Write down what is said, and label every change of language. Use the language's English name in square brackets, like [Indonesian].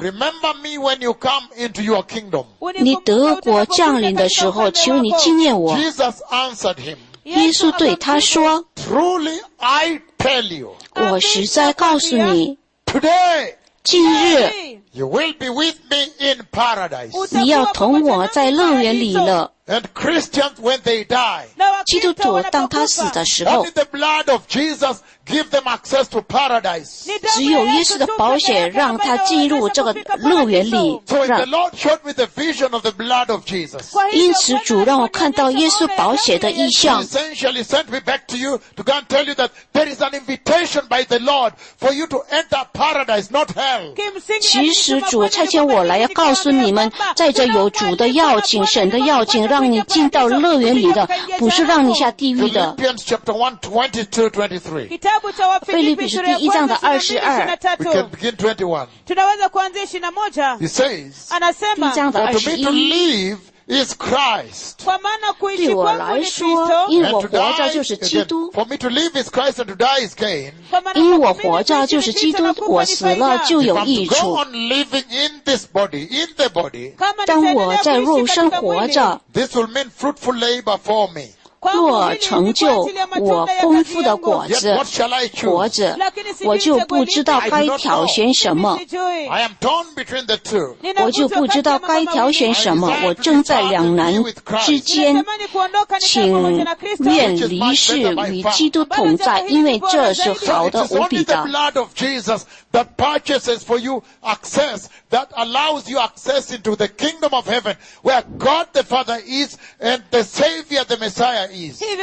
[English] remember me when you come into your kingdom. [Chinese] 你德国降临的时候, 求你纪念我。 [English] Jesus answered him, [Chinese] 耶稣对他说, [English] truly I tell you, [Chinese] 我实在告诉你, [English] today, [Chinese] 今日, [English] you will be with me in paradise. [Chinese] 你要同我在乐园里了。 [English] And Christians, when they die, [Chinese] 基督徒, 当他死的时候, [English] only the blood of Jesus give them access to paradise. [Chinese] 只有耶稣的宝血让他进入这个乐园里, [English] so the Lord showed me the vision of the blood of Jesus. [Chinese] 因此主让我看到耶稣宝血的意象, [English] he essentially sent me back to you to go and tell you that there is an invitation by the Lord for you to enter paradise, not hell. [Chinese] 其实主差遣我来告诉你们, 在这有主的邀请, 神的邀请, 让你进到乐园里的, 不是让你下地狱的。 [English] Philippians chapter 1:22-23. [Chinese] 腓立比书第一章的22. [English] We can begin 21. 21. He says, [Chinese] 第一章的21. [English] For to me to live is Christ. [Chinese] 对我来说, 因我活着就是基督, [English] for me to live is Christ and to die is gain. [Chinese] 因我活着就是基督, 我死了就有益处。 [English] If I'm to go on living in this body, in the body, [Chinese] 当我在肉身活着, [English] this will mean fruitful labor for me. [Chinese] 若成就我丰富的果子, 活着, 我就不知道该挑选什么, [English] I am torn between the two. [Chinese] 我就不知道该挑选什么, 我正在两难之间, 请愿离世与基督同在, 因为这是好的无比的。 [English] The blood of Jesus that purchases for you access, that allows you access into the kingdom of heaven, where God the Father is and the Savior, the Messiah is.